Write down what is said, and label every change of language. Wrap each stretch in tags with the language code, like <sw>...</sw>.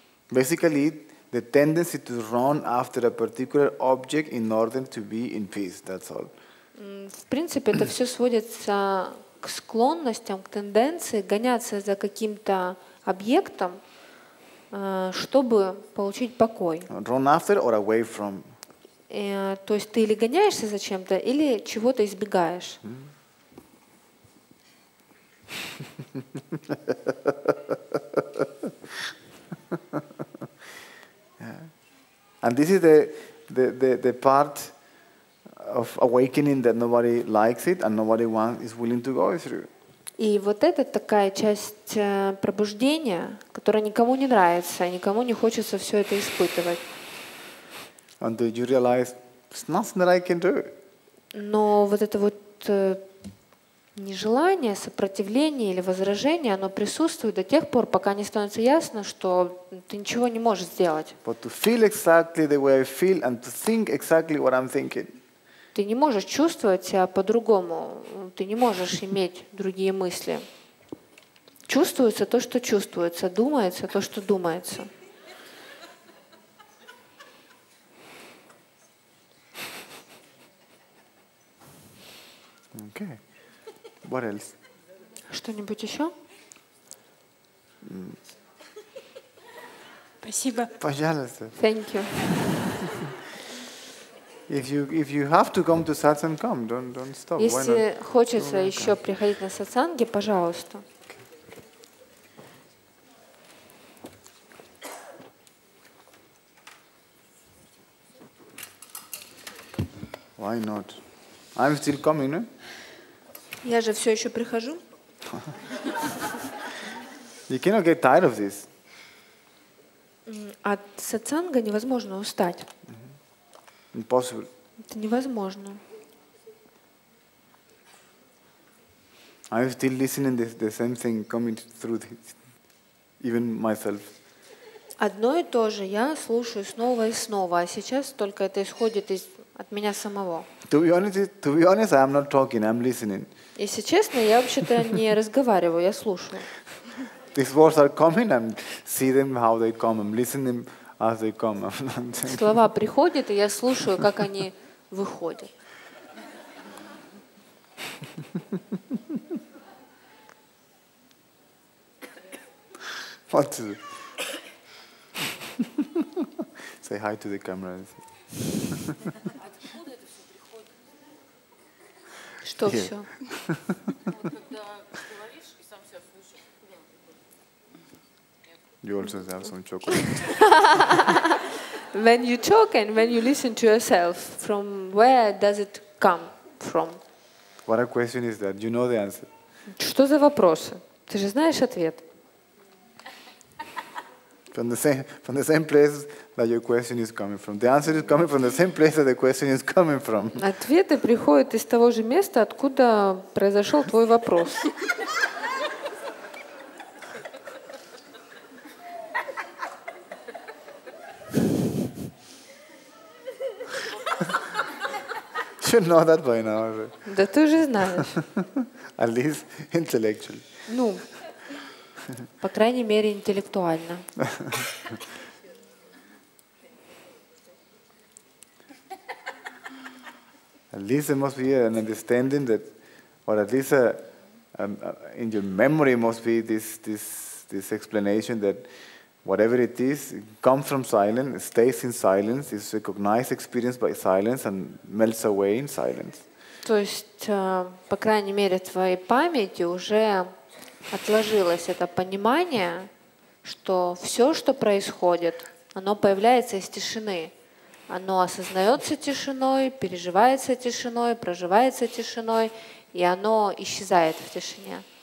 <en>Basically, the tendency to run after a particular object in order to be in peace, that's all.</en> <ru>В принципе, это все сводится к склонностям, к тенденции гоняться за каким-то объектом, чтобы получить покой.</ru> <en>Run after or away from.</en> <ru>То есть ты или гоняешься за чем-то, или чего-то избегаешь.</ru> <en>And this is the part of awakening that nobody likes it and nobody wants is willing to go through.</en> <ru>И вот это такая часть пробуждения, которая никому не нравится, никому не хочется все это испытывать.</ru> <en>Until you realize there's nothing that I can do.</en> <ru>Но вот это вот нежелание, сопротивление или возражение, оно присутствует до тех пор, пока не становится ясно, что ты ничего не можешь сделать.</ru> <en>But to feel exactly the way I feel and to think exactly what I'm thinking.</en> <ru>Ты не можешь чувствовать себя по-другому. Ты не можешь иметь другие мысли. Чувствуется то, что чувствуется. Думается то, что думается.</ru> <en>Okay. What else?</en> <ru>Что-нибудь еще? Спасибо. Пожалуйста.</ru> <en>Thank you. If you have to come to satsang, come. Don't stop.</en> <ru>Если</ru> <en>Why not?</en> <ru>Хочется</ru> <en>Don't</en> <ru>еще</ru> <en>come.</en> <ru>Приходить на сатсанги, пожалуйста.</ru> <en>Why not? I'm still coming, eh?</en> <ru>Я же все еще прихожу.</ru> <en>You cannot get tired of this.</en> <ru>От сатсанга невозможно устать.</ru> <en>Impossible.</en> <ru>Это невозможно.</ru> <en>I'm still listening the same thing coming through this, even myself.</en> <ru>Одно и то же я слушаю снова и снова, а сейчас только это исходит из от меня самого.</ru> <en>To be honest, I'm not talking, I'm listening.</en> <ru>Если честно, я вообще-то не разговариваю, я слушаю.</ru> <en>These words are coming and see them how they come. I'm listening as they come.</en> <ru>Слова приходят, и я слушаю, как они выходят.</ru> <en>What is it? Say hi to the camera.</en> <ru>Что все?</ru> <en>You also have some chocolate. When you talk and when you listen to yourself, from where does it come from? What a question is that? You know the answer.</en> <ru>Что за вопросы? Ты же знаешь ответ.</ru> <en>From the same place that your question is coming from. The answer is coming from the same place that the question is coming from.</en> <ru>Ответы приходят из того же места, откуда произошел твой вопрос.</ru> <en>You know that by now.</en> <ru>Да ты уже знаешь.</ru> <en>At least intellectually.</en> <ru>Ну, по крайней мере, интеллектуально.</ru> <en>At least there must be an understanding that, or at least in your memory must be this explanation that whatever it is, it comes from silence, it stays in silence, it's recognized, experienced by silence, and melts away in silence.</en> <ru>То есть, по крайней мере, в твоей памяти уже отложилось это понимание, что все, что происходит, оно появляется из тишины. Оно осознается тишиной, переживается тишиной, проживается тишиной, и оно исчезает в тишине.</ru>